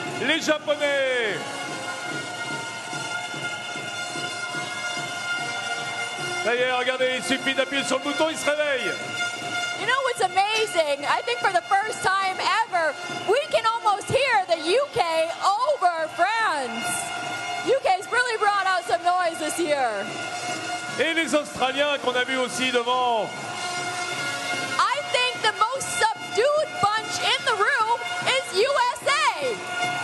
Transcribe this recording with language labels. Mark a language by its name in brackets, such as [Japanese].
[French] les Japonais. D'ailleurs, regardez, il suffit d'appuyer sur le bouton, il se réveille. [English] You know what's amazing? I think for the first time ever, we can almost hear the UK over France. UK's really brought out some noise this year. [French] Et les Australiens qu'on a vu aussi devant. [English] I think the most subdued bunch in the room is USA.